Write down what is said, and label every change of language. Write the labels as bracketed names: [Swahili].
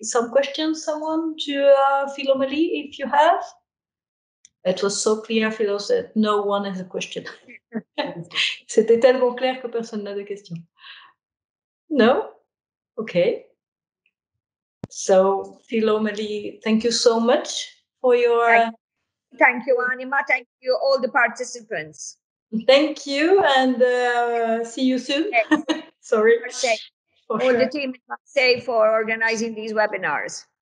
[English] Some questions, someone to Philomélie, if you have? It was so clear, Philo, that no one has a question. [French] C'était tellement clair que personne n'a de question. [English] No? Okay. So, Philo, Mali, thank you so much for your... Thank you, Anima. Thank you, all the participants. Thank you, and see you soon. Yes. Sorry. Okay. For all sure. The team in Marseille for organizing these webinars.